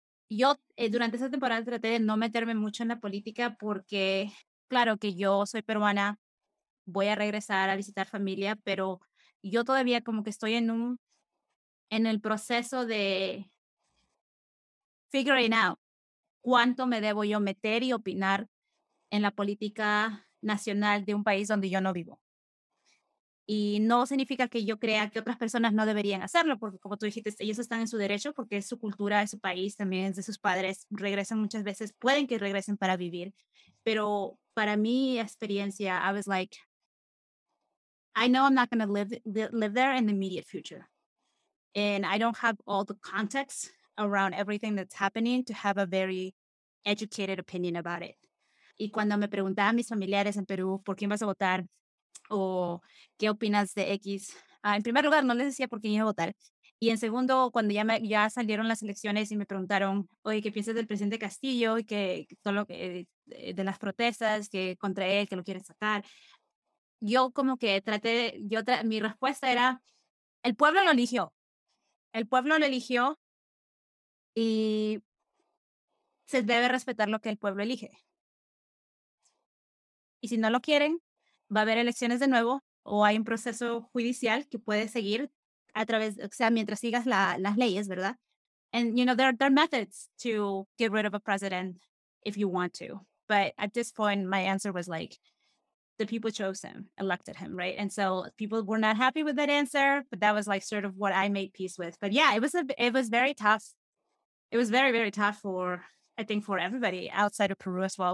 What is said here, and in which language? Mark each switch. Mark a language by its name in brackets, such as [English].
[Spanish] Yo durante esa temporada traté de no meterme mucho en la política porque, claro que yo soy peruana, voy a regresar a visitar familia, pero yo todavía como que estoy en el proceso de [English] figuring out [Spanish] cuánto me debo yo meter y opinar en la política nacional de un país donde yo no vivo. Y no significa que yo crea que otras personas no deberían hacerlo, porque como tú dijiste, ellos están en su derecho porque es su cultura, es su país, también es de sus padres, regresan muchas veces, pueden que regresen para vivir. Pero para mi experiencia, [English] I was like, I know I'm not going to live there in the immediate future. And I don't have all the context around everything that's happening to have a very educated opinion about it. [Spanish] Y cuando me preguntaban mis familiares en Perú, ¿por quién vas a votar? ¿O qué opinas de X? En primer lugar, no les decía por quién iba a votar. Y en segundo, cuando ya salieron las elecciones y me preguntaron, oye, ¿qué piensas del presidente Castillo? Y que solo de las protestas, que contra él, que lo quieren sacar. Yo como que traté, mi respuesta era, el pueblo lo eligió. El pueblo lo eligió y se debe respetar lo que el pueblo elige. Y si no lo quieren, va a haber elecciones de nuevo o hay un proceso judicial que puede seguir a través, o sea, mientras sigas las leyes, ¿verdad? [English] And, you know, there are methods to get rid of a president if you want to. But at this point, my answer was like, the people chose him, elected him, right? And so people were not happy with that answer, but that was like sort of what I made peace with. But yeah, it was very tough. It was very, very tough for, I think, for everybody outside of Peru as well.